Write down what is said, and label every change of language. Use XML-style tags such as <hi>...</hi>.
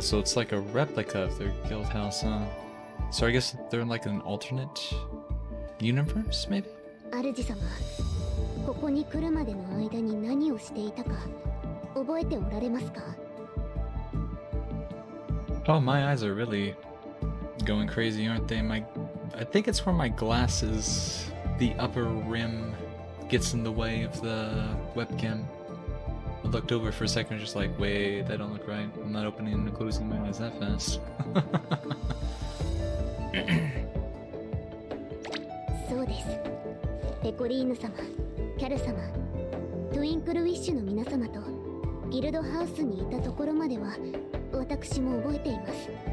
<en>so it's like a replica of their guild house, huh? So I guess they're in like an alternate universe, maybe?</en> <ja>主様、ここに来るまでの間に何をしていたか覚えておられますか?</ja> <en>Oh, my eyes are really going crazy, aren't they? I think it's where my glasses, the upper rim, gets in the way of the webcam. I looked over for a second, just like, wait, that don't look right. I'm not opening and closing my eyes that fast.</en> <ja>そうです。ペコリーヌ様、キャル様、トゥインクルウィッシュの皆様とギルドハウスにいたところまでは私も覚えています。</ja>